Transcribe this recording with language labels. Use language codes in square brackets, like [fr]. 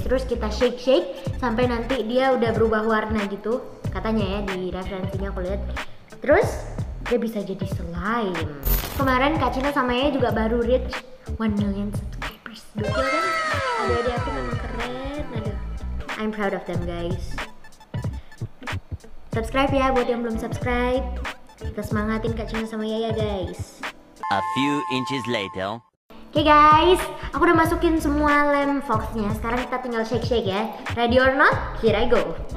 [id] Terus kita shake-shake sampai nanti dia udah berubah warna gitu. Katanya ya, di referensinya aku lihat. Terus dia bisa jadi slime. Kemarin Kak Cina sama Ea juga baru reach 1 million subscribers. Betul kan? Adik-adik aku memang keren. Aduh, [en] I'm proud of them guys. [id] Subscribe ya buat yang belum subscribe. Kita semangatin Kak Cina sama Yaya guys. [en] A few inches later. [id] Okay guys, aku udah masukin semua lem foxnya. Sekarang kita tinggal shake-shake ya. [en] Ready or not? Here I go.